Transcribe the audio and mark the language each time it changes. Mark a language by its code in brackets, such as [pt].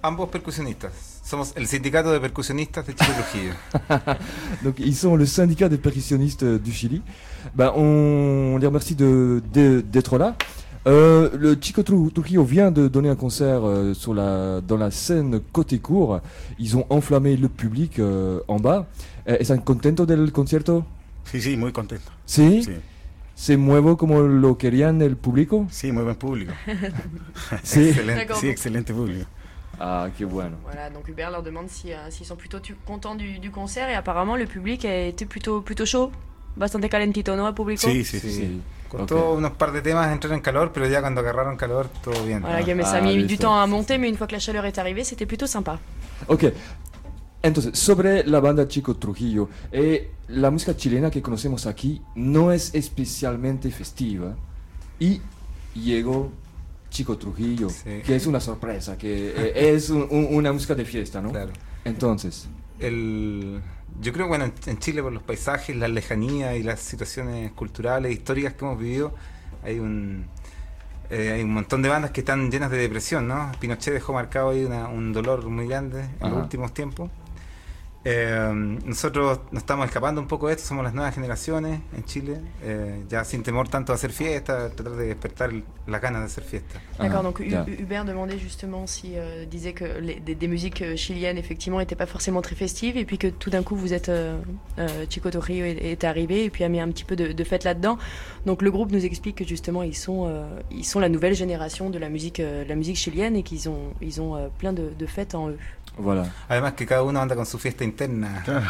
[es] ambos percusionistas. Somos el sindicato de percusionistas de Chico Trujillo. [fr] Donc, ils sont le syndicat des percussionnistes du Chili. Ben, on les remercie d'être là. Le Chico Trujillo vient de donner un concert dans la scène côté cour. Ils ont enflammé le public en bas. [es] ¿Están contentos del concierto? Sí, muy contento. ¿Sí? Sí. ¿Se mueve como lo querían el público? Sí, muy buen público. Sí. Excelente, sí, excelente público. Ah, qué bueno. [fr] Voilà, donc Hubert leur demande s'ils sont plutôt contents du concert et apparemment le public a été plutôt chaud, [es] bastante calentito, ¿no, el público? Sí. Contó unos par de temas, entraron en calor, pero ya cuando agarraron calor, todo bien. [fr] Voilà, Guillaume, ça a mis du temps à monter, mais une fois que la chaleur est arrivée, c'était plutôt sympa. Ok. [es] Entonces, sobre la banda Chico Trujillo, la música chilena que conocemos aquí no es especialmente festiva. Y llegó Chico Trujillo, que es una sorpresa, que es una música de fiesta, ¿no? Claro. Entonces. Yo creo que bueno, en Chile, por los paisajes, la lejanía y las situaciones culturales, históricas que hemos vivido, hay un montón de bandas que están llenas de depresión, ¿no? Pinochet dejó marcado ahí un dolor muy grande en los últimos tiempos. Nosotros nos estamos escapando un poco de esto, somos las nuevas generaciones en Chile, ya sin temor tanto a hacer fiesta, tratar de despertar las ganas de hacer fiesta. [fr] D'accord, donc Hubert demandait justement si disait que des musiques chiliennes effectivement n'étaient pas forcément très festives, et puis que tout d'un coup vous êtes Chico Trujillo est arrivé et puis a mis un petit peu de fête là-dedans. Donc le groupe nous explique que justement ils sont la nouvelle génération de la musique chilienne, et qu'ils ont plein de fêtes en eux. Voilà. [es] Además que cada uno anda con su fiesta interna.